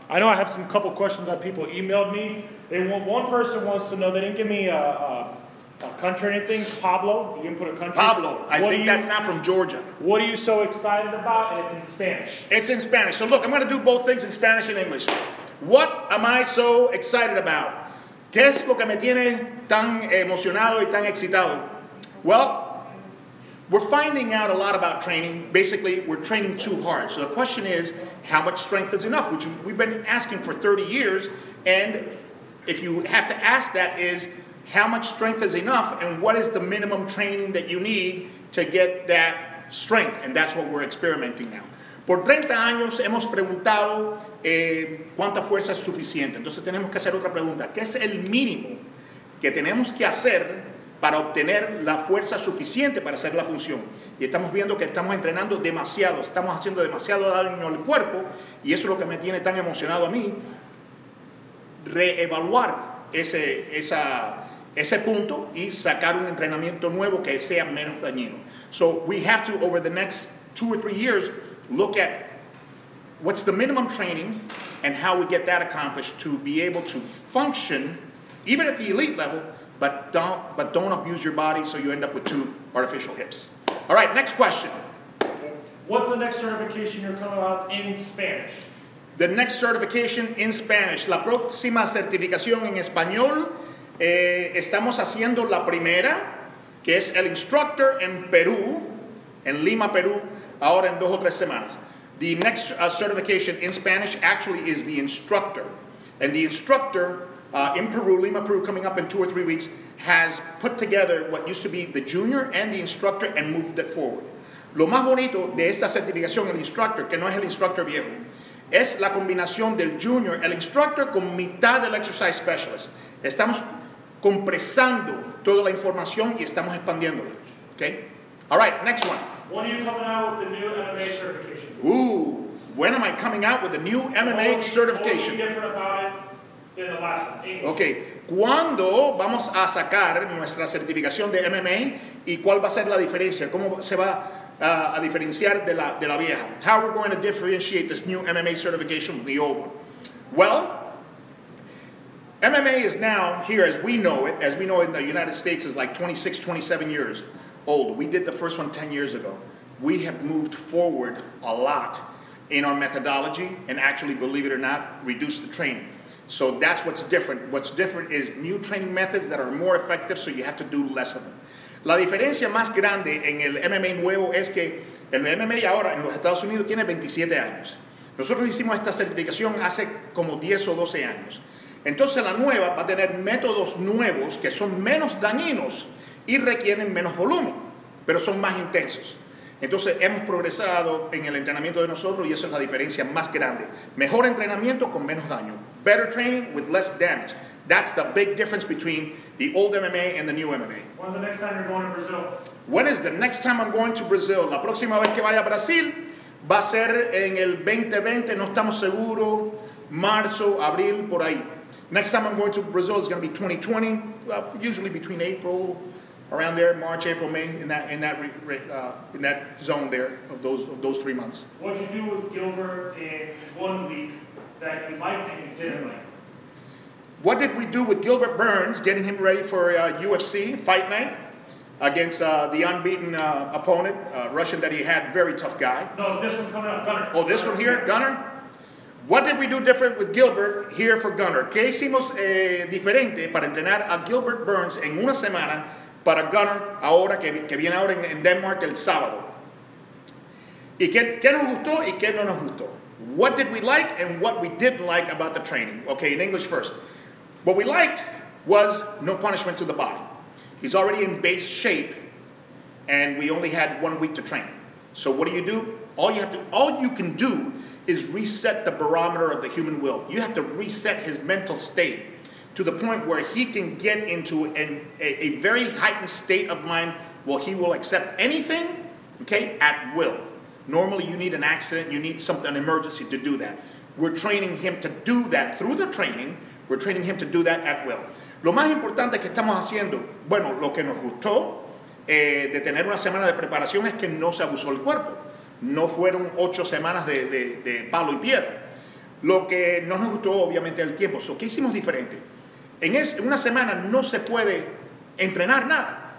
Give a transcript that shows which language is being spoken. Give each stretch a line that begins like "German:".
English: I know I have some couple questions that people emailed me. One person wants to know, they didn't give me a country or anything. Pablo, you didn't put a country. Pablo, I think that's not from Georgia. What are you so excited about? And it's in Spanish. It's in Spanish. So look, I'm going to do both things in Spanish and English. What am I so excited about? ¿Qué es lo que me tiene tan emocionado y tan excitado? Well, we're finding out a lot about training. Basically, we're training too hard. So the question is, how much strength is enough? Which we've been asking for 30 years. And if you have to ask that is, how much strength is enough? And what is the minimum training that you need to get that strength? And that's what we're experimenting now.
Spanish: Por 30 años hemos preguntado cuánta fuerza es suficiente. Entonces tenemos que hacer otra pregunta. ¿Qué es el mínimo que tenemos que hacer para obtener la fuerza suficiente para hacer la función? Y estamos viendo que estamos entrenando demasiado, estamos haciendo demasiado daño al cuerpo, y eso es lo que me tiene tan emocionado a mí, reevaluar ese punto y sacar un entrenamiento nuevo que sea menos dañino.
English: So we have to, over the next 2 or 3 years, look at what's the minimum training and how we get that accomplished to be able to function, even at the elite level, But don't abuse your body so you end up with two artificial hips. All right, next question. What's the next certification you're coming out in Spanish? The next certification in Spanish.
Spanish: La próxima certificación en español. Estamos haciendo la primera, que es el instructor en Perú, en Lima, Perú, ahora en 2 o 3 semanas.
English: The next certification in Spanish actually is the instructor. And the instructor in Peru, Lima, Peru, coming up in 2 or 3 weeks, has put together what used to be the junior and the instructor and moved it forward.
Spanish: Lo más bonito de esta certificación, el instructor, que no es el instructor viejo, es la combinación del junior, el instructor, con mitad del exercise specialist. Estamos compresando toda la información y estamos expandiéndola.
English: Okay? All right, next one. When are you coming out with the new MMA certification? Ooh, when am I coming out with the new MMA certification? What's different about it?
Spanish: Okay, ¿cuándo vamos a sacar nuestra certificación de MMA y cuál va a ser la diferencia? ¿Cómo se va a diferenciar de la vieja?
English: How are we going to differentiate this new MMA certification from the old one? Well, MMA is now here as we know it in the United States is like 26, 27 years old. We did the first one 10 years ago. We have moved forward a lot in our methodology and actually, believe it or not, reduced the training. So that's what's different. What's different is new training methods that are more effective, so you have to do less of them.
Spanish: La diferencia más grande en el MMA nuevo es que el MMA ahora en los Estados Unidos tiene 27 años. Nosotros hicimos esta certificación hace como 10 o 12 años. Entonces la nueva va a tener métodos nuevos que son menos dañinos y requieren menos volumen, pero son más intensos. Entonces hemos progresado en el entrenamiento de nosotros y esa es la diferencia más grande. Mejor entrenamiento con menos daño.
English: Better training with less damage. That's the big difference between the old MMA and the new MMA. When's the next time you're going to Brazil? When is the next time I'm going to Brazil?
Spanish: La próxima vez que vaya a Brasil va a ser en el 2020. No estamos seguros. Marzo, abril, por ahí.
English: Next time I'm going to Brazil is going to be 2020. Well, usually between April, around there, March, April, May, in that zone there of those 3 months. What'd you do with Gilbert in 1 week? That you liked and you didn't like. What did we do with Gilbert Burns, getting him ready for UFC fight night against the unbeaten opponent, Russian that he had, very tough guy. No, this one coming up, Gunner. Oh, this one here, Gunner? What did we do different with Gilbert here for Gunner?
Spanish: ¿Qué hicimos diferente para entrenar a Gilbert Burns en una semana para Gunner ahora que viene ahora en Denmark el sábado? ¿Y qué nos gustó y qué no nos gustó?
English: What did we like and what we didn't like about the training? Okay, in English first. What we liked was no punishment to the body. He's already in base shape, and we only had 1 week to train. So what do you do? All you can do is reset the barometer of the human will. You have to reset his mental state to the point where he can get into a very heightened state of mind where he will accept anything, okay, at will. Normally you need an accident, you need something, an emergency to do that. We're training him to do that through the training. We're training him to do that at will.
Spanish: Lo más importante que estamos haciendo, bueno, lo que nos gustó de tener una semana de preparación es que no se abusó el cuerpo. No fueron 8 semanas de palo y piedra. Lo que no nos gustó, obviamente, el tiempo. So, ¿qué hicimos diferente? En una semana no se puede entrenar nada.